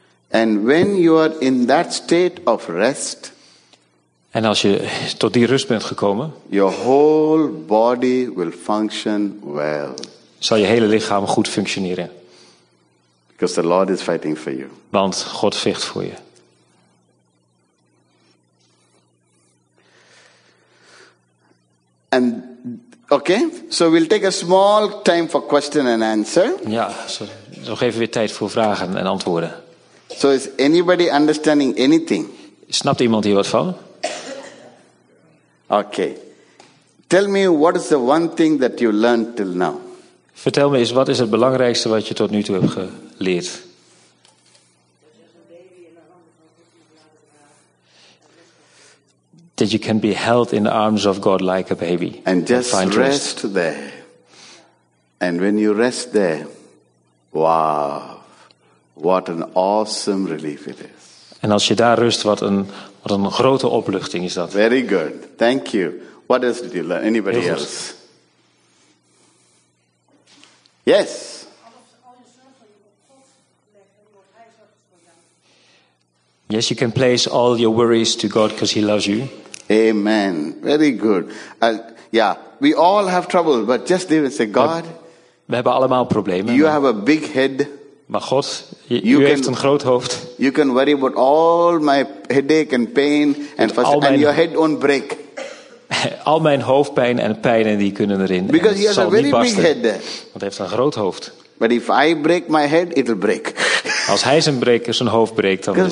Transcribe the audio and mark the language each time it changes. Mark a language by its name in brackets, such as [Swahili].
[English] And when you are in that state of rest, [Dutch] en als je tot die rust bent gekomen, [English] your whole body will function well. [Dutch] Zal je hele lichaam goed functioneren. [English] Because the Lord is fighting for you. [Dutch] Want God vecht voor je. [English] And okay, so we'll take a small time for question and answer. [Dutch] Ja, zo geven we weer tijd voor vragen en antwoorden. [English] So is anybody understanding anything? [Dutch] Snapt iemand hier wat van? [English] Okay. Tell me what is the one thing that you learned till now? [Dutch] Vertel me eens, wat is het belangrijkste wat je tot nu toe hebt geleerd? [English] That you can be held in the arms of God like a baby. And just find rest there. And when you rest there, wow, what an awesome relief it is. [Dutch] En als je daar rust, wat een grote opluchting is dat. [English] Very good. Thank you. What else did you learn? Anybody else? Yes. Yes, you can place all your worries to God because he loves you. Amen. Very good. Yeah, we all have trouble, but just even say, God. [Dutch] We hebben allemaal problemen. [English] You have a big head. [Dutch] Maar God, u heeft een groot hoofd. [English] You can worry about all my headache and pain and your head won't break. [Dutch] Al mijn hoofdpijn en pijnen die kunnen erin. [English] Because he has a very big head. [Dutch] Want hij heeft een groot hoofd. [English] But if I break my head, it'll break. [Dutch] Als hij zijn hoofd breekt, dan is het.